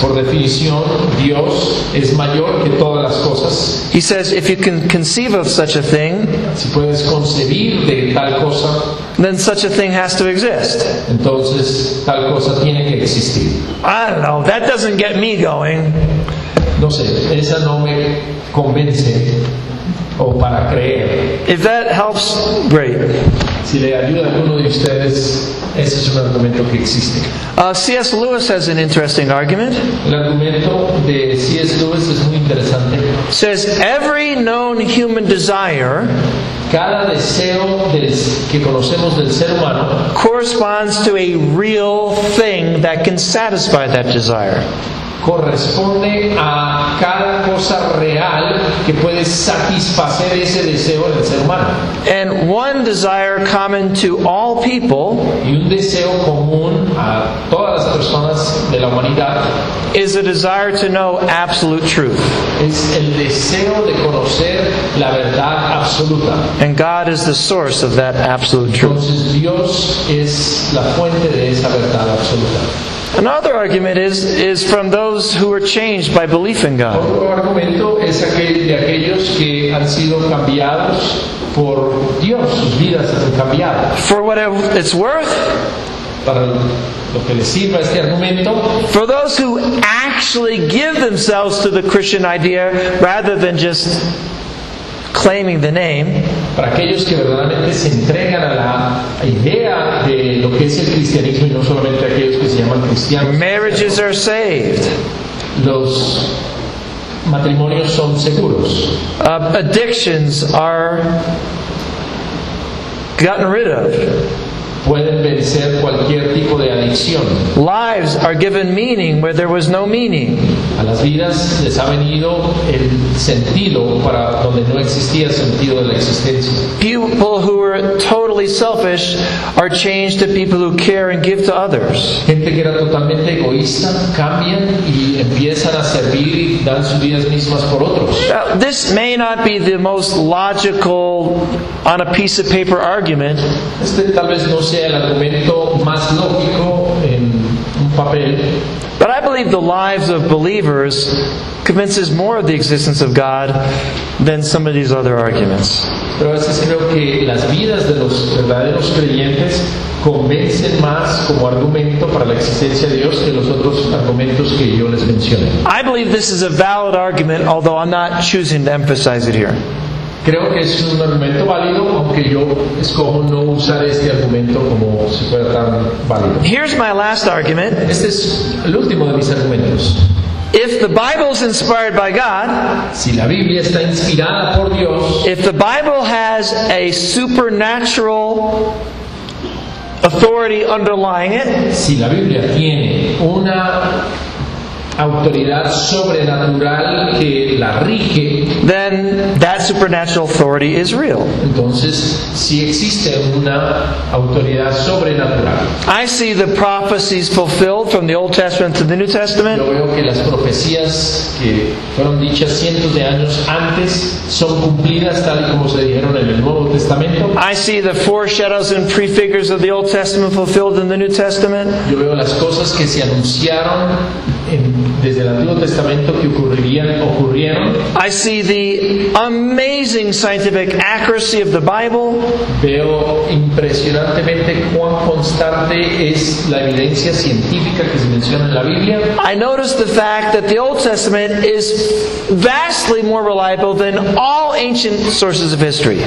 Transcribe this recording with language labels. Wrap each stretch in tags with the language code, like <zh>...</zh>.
<es>Por definición, Dios es mayor que todas las cosas.</es> <en>He says if you can conceive of such a thing,</en> <es>si puedes concebir de tal cosa,</es> <en>then such a thing has to exist.</en> <es>Entonces, tal cosa tiene que existir.</es> <en>I don't know, that doesn't get me going.</en> <es>No sé, esa no me convence o para creer.</es> <en>If that helps, great.</en> <es>Si le ayuda a alguno de ustedes, ese es un argumento que existe.</es> <en>C.S. Lewis has an interesting argument.</en> <es>El argumento de C.S. Lewis es muy interesante.</es> <en>Says every known human desire,</en> <es>cada deseo que conocemos del ser humano,</es> <en>corresponds to a real thing that can satisfy that desire.</en> <es>Corresponde a cada cosa real que puede satisfacer ese deseo del ser humano.</es> <en>And one desire common to all people,</en> <es>y un deseo común a todas las personas de la humanidad,</es> <en>is a desire to know absolute truth.</en> <es>Es el deseo de conocer la verdad absoluta.</es> <en>And God is the source of that absolute truth.</en> <es>Entonces Dios es la fuente de esa verdad absoluta.</es> <en>Another argument is from those who are changed by belief in God.</en> <es>Otro argumento es aquel de aquellos que han sido cambiados por Dios, sus vidas han cambiado.</es> <en>For what it's worth,</en> <es>para lo que les sirva este argumento,</es> <en>for those who actually give themselves to the Christian idea rather than just claiming the name,</en> <es>para aquellos que verdaderamente se entregan a la idea de lo que es el cristianismo y no solamente aquellos que se llaman cristianos.</es> <en>Marriages are saved.</en> <es>Los matrimonios son seguros.</es> <en>Addictions are gotten rid of.</en> <es>pueden vencer cualquier tipo de adicción.</es> <en>Lives are given meaning where there was no meaning.</en> <es>A las vidas les ha venido el sentido para donde no existía sentido de la existencia.</es> <en>People who were totally selfish are changed to people who care and give to others.</en> <es>Gente que era totalmente egoísta cambian y empiezan a servir y dan sus vidas mismas por otros.</es> <en>Now, this may not be the most logical on a piece of paper argument.</en> <es>Este tal vez no sea el argumento más lógico en un papel.</es> <en>But I believe the lives of believers convinces more of the existence of God than some of these other arguments.</en> <es>Pero a veces creo que las vidas de los verdaderos creyentes convencen más como argumento para la existencia de Dios que los otros argumentos que yo les mencioné.</es> <en>I believe this is a valid argument, although I'm not choosing to emphasize it here.</en> <es>Creo que es un argumento válido, aunque yo escojo no usar este argumento como si fuera tan válido.</es> <en>Here's my last argument.</en> <es>Este es el último de mis argumentos.</es> <en>If the Bible is inspired by God,</en> <es>si la Biblia está inspirada por Dios,</es> <en>if the Bible has a supernatural authority underlying it,</en> <es>si la Biblia tiene una autoridad sobrenatural que la rige,</es> <en>then that supernatural authority is real.</en> <es>Entonces, si existe una autoridad sobrenatural.</es> <en>I see the prophecies fulfilled from the Old Testament to the New Testament.</en> <es>Yo veo que las profecías que fueron dichas cientos de años antes son cumplidas tal como se dijeron en el Nuevo Testamento.</es> <en>I see the foreshadows and prefigures of the Old Testament fulfilled in the New Testament.</en> <es>Yo veo las cosas que se anunciaron desde el Antiguo Testamento que ocurrieron.</es> <en>I see the amazing scientific accuracy of the Bible.</en> <es>Veo impresionantemente cuán constante es la evidencia científica que se menciona en la Biblia.</es> <en>I notice the fact that the Old Testament is vastly more reliable than all ancient sources of history.</en>